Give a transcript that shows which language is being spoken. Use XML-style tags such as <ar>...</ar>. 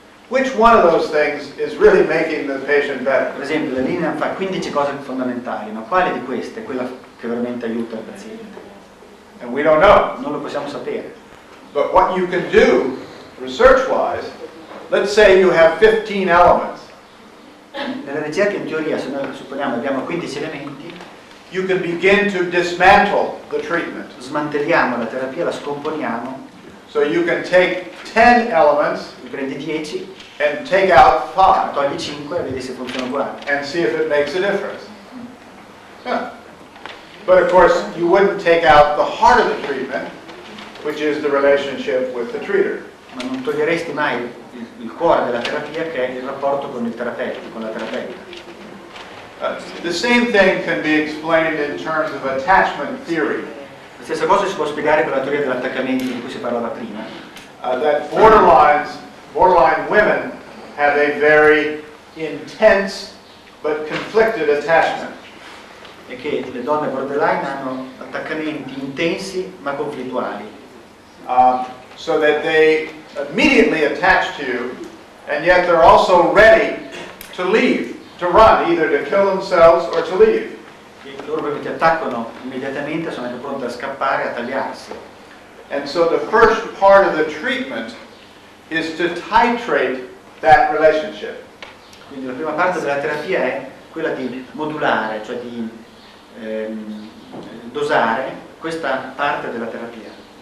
<en>Which one of those things is really making the patient better?</en> <it>Per esempio, la linea fa 15 cose fondamentali, ma quale di queste è quella che veramente aiuta il paziente?</it> <en>And we don't know.</en> <it>Non lo possiamo sapere.</it> <en>But what you can do, research-wise, Let's say you have 15 elements.</en> <it>Nella ricerca, in teoria, se noi supponiamo abbiamo 15 elementi,</it> <en>you can begin to dismantle the treatment.</en> <it>Smantelliamo la terapia, la scomponiamo.</it> <en>So you can take 10 elements,</en> <it>prendi 10,</it> <en>and take out 5,</en> <it>togli 5 e vedi se funziona uguale,</it> <en>and see if it makes a difference. Yeah. But of course, you wouldn't take out the heart of the treatment, which is the relationship with the treater.</en> <it>Ma non toglieresti mai il cuore della terapia, che è il rapporto con il terapeuta, con la terapeuta.</it> <en>The same thing can be explained in terms of attachment theory.</en> <it>La stessa cosa si può spiegare con la teoria dell'attaccamento di cui si parlava prima.</it> <en>That borderline women have a very intense but conflicted attachment.</en> <it>E che le donne borderline hanno attaccamenti intensi ma conflittuali.</it> <en>So that they immediately attach to you, and yet they're also ready to leave, to run, either to kill themselves or to leave.</en> <it>E loro che ti attaccano immediatamente sono anche pronti a scappare, a tagliarsi.</it> <en>And so the first part of the treatment is to titrate that relationship.</en> <it>Quindi la prima parte della terapia è quella di modulare, cioè di dosare questa parte della terapia.</it>